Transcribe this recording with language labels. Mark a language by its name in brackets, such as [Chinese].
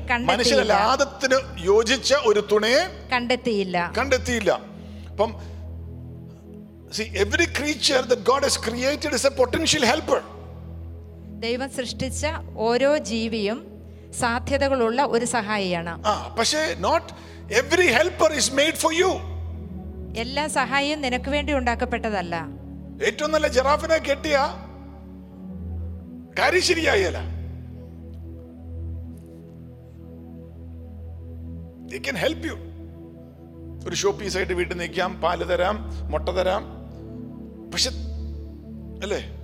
[Malayalam] കണ്ടെത്തിയില്ല. യോജിച്ച ഒരു തുണയെ കണ്ടെത്തിയില്ല. കണ്ടെത്തിയില്ല. അപ്പം [English] See, every creature that God has created is a potential helper. [Malayalam] ദൈവം സൃഷ്ടിച്ച ഓരോ ജീവിയും സാധ്യതകളുള്ള ഒരു സഹായിയാണ്. [English] പക്ഷേ not every helper is made for you. [Malayalam] എല്ലാ സഹായിയും നിനക്ക് വേണ്ടി ഉണ്ടാക്കപ്പെട്ടതല്ല. ഏറ്റവും നല്ല ജിറാഫിനെ കെട്ടിയ കാര്യം ശരിയായല്ല. [English] They can help you. [Malayalam] ഒരു ഷോ പീസ് ആയിട്ട് വീട്ടിൽ നിൽക്കാം, പാല് തരാം, മുട്ട തരാം, പക്ഷെ അല്ലേ.